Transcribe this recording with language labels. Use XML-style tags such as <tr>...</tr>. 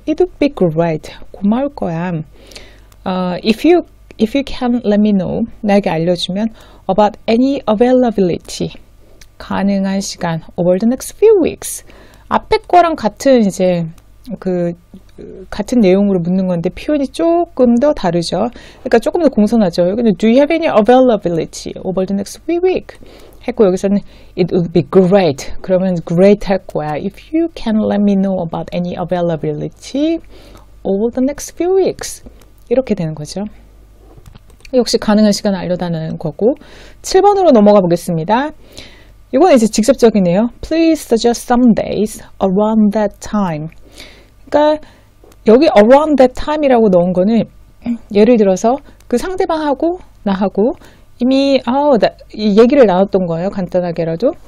<en>It would be great.</en> <ko>고마울 거야.</ko> <en>If you can let me know</en> <ko>나에게 알려주면</ko> <en>about any availability</en> <ko>가능한 시간</ko> <en>over the next few weeks</en> <ko>앞에 거랑 같은 이제 그 같은 내용으로 묻는 건데 표현이 조금 더 다르죠. 그러니까 조금 더 공손하죠. 여기는</ko> <en>Do you have any availability over the next few weeks?</en> <ko>했고 여기서는</ko> <en>It would be great.</en> <ko>그러면 great 할 거야.</ko> <en>If you can let me know about any availability over the next few weeks.</en> <ko>이렇게 되는 거죠. 역시 가능한 시간 알려달라는 거고 7번으로 넘어가 보겠습니다. 이건 이제 직접적이네요.</ko> <en>Please suggest some days around that time.</en> <ko>그러니까 여기</ko> <en>around that time</en> <ko>이라고 넣은 거는 예를 들어서 그 상대방하고 나하고 이미 얘기를 나눴던 거예요. 간단하게라도.</ko>